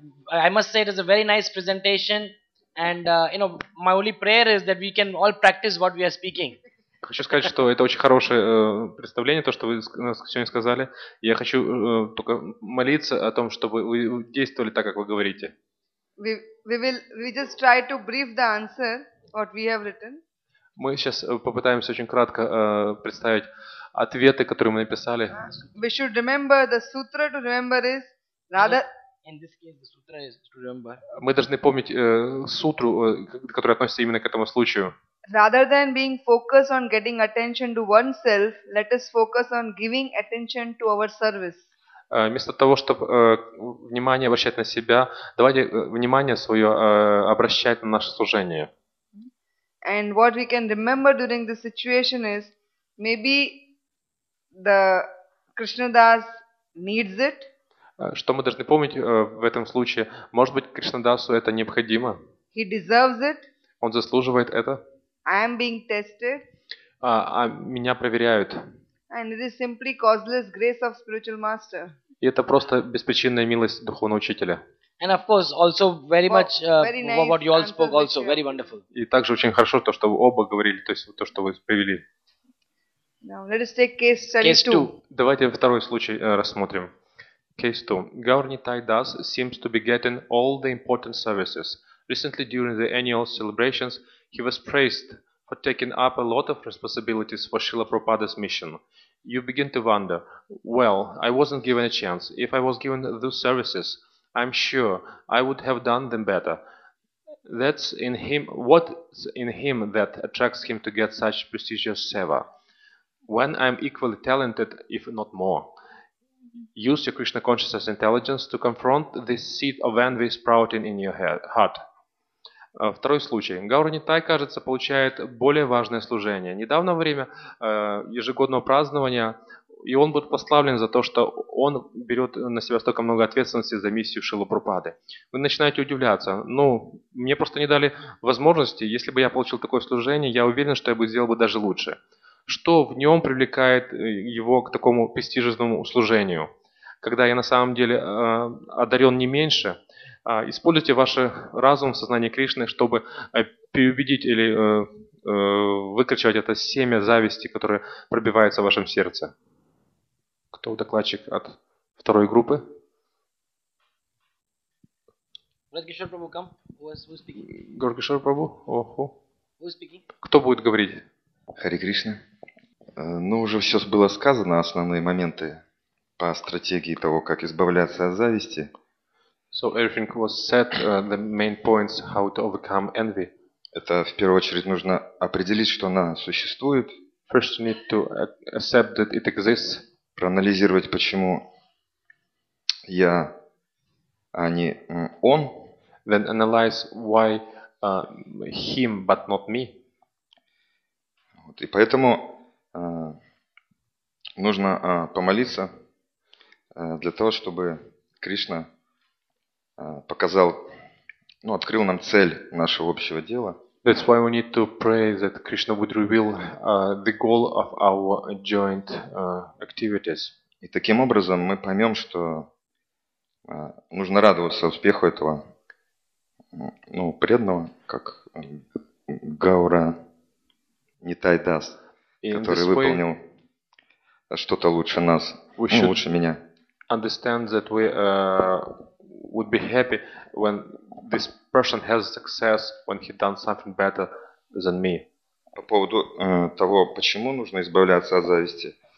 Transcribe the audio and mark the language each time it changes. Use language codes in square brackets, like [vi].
[en] I must say it is a very nice presentation, and you know, my only prayer is that we can all practice what we are speaking. [ru] Хочу сказать, что это очень хорошее представление, то, что вы сегодня сказали. Я хочу только молиться о том, чтобы вы действовали так, как вы говорите. [en] We just try to brief the answer what we have written. [ru] Мы сейчас попытаемся очень кратко представить ответы, которые мы написали. [en] We should remember the sutra to remember is. In this case, the sutra is to remember. [ru] Мы должны помнить сутру, которая относится именно к этому случаю. [en] Rather than being focused on getting attention to oneself, let us focus on giving attention to our service. [ru] Вместо того, чтобы внимание обращать на себя, давайте внимание свое обращать на наше служение. [en] And what we can remember during this situation is maybe the Krishna Das needs it. [ru] Что мы должны помнить в этом случае? Может быть, Кришнадасу это необходимо? [en] He deserves it. [ru] Он заслуживает это? [en] I am being tested. [ru] Меня проверяют. [en] And it is simply causeless grace of spiritual master. [ru] И это просто беспричинная милость духовного учителя. [en] And of course, also very much very nice what you all spoke also, very wonderful. [ru] И также очень хорошо то, что вы оба говорили, то есть то, что вы привели. [en] Now let us take case study case two. [ru] Давайте второй случай рассмотрим. [en] Case 2. Gaurnitai Das seems to be getting all the important services. Recently, during the annual celebrations, he was praised for taking up a lot of responsibilities for Srila Prabhupada's mission. You begin to wonder, well, I wasn't given a chance. If I was given those services, I'm sure I would have done them better. That's in him. What's in him that attracts him to get such prestigious seva? When I'm equally talented, if not more. Use your Krishna consciousness intelligence to confront this seed of envy sprouting in your heart. [ru] Второй случай. Гауранитай, кажется, получает более важное служение. Недавно время ежегодного празднования, и он будет прославлен за то, что он берет на себя столько много ответственности за миссию Шрилы Прабхупады. Вы начинаете удивляться. Ну, мне просто не дали возможности. Если бы я получил такое служение, я уверен, что я бы сделал бы даже лучше. Что в нем привлекает его к такому престижному служению? Когда я на самом деле одарен не меньше, используйте ваш разум в сознании Кришны, чтобы переубедить или выкорчевать это семя зависти, которое пробивается в вашем сердце. Кто докладчик от второй группы? [en] Горкишор Прабху, come. Who is speaking? [ru] Горкишор Прабху? Оху. [en] Who is speaking? [ru] Кто будет говорить? Харе Кришна. Ну, уже все было сказано, основные моменты по стратегии того, как избавляться от зависти. [en] So everything was set, the main points how to overcome envy. [ru] Это в первую очередь нужно определить, что она существует. [en] First you need to accept that it exists. [ru] Проанализировать, почему я, а не он. [en] Then analyze why him, but not me. [ru] Вот, и поэтому нужно помолиться для того, чтобы Кришна показал, ну, открыл нам цель нашего общего дела. [en] That's why we need to pray that Krishna would reveal the goal of our joint activities. [ru] И таким образом мы поймем, что нужно радоваться успеху этого, ну, преданного, как Гаура Нитай Дас, который выполнил что-то лучше нас, ну, лучше меня. [en] Understand that we would be happy when this person has success, when he done something better than me. [ru] По поводу того, почему нужно избавляться от зависти.